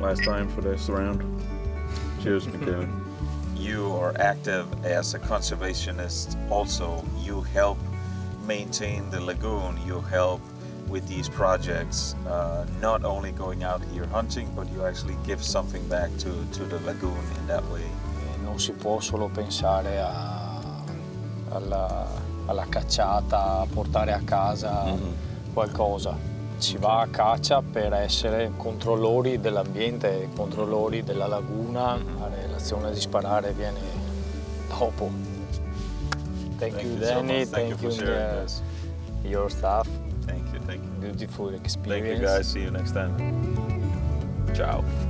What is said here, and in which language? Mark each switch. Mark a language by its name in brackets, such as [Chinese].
[English] Last time for this round. Cheers, McKevin. You are active as a conservationist. Also, you help maintain the lagoon. You help with these projects, not only going out here hunting, but you actually give something back to the lagoon in that way. [Italian] Non si può solo pensare a alla cacciata, portare a casa qualcosa. Si va a caccia per essere controllori dell'ambiente, controllori della laguna. La relazione di sparare viene dopo. [English] Thank you, Danny. Thank you for sharing your stuff. Thank you. Beautiful experience. Thank you, guys. See you next time. Ciao.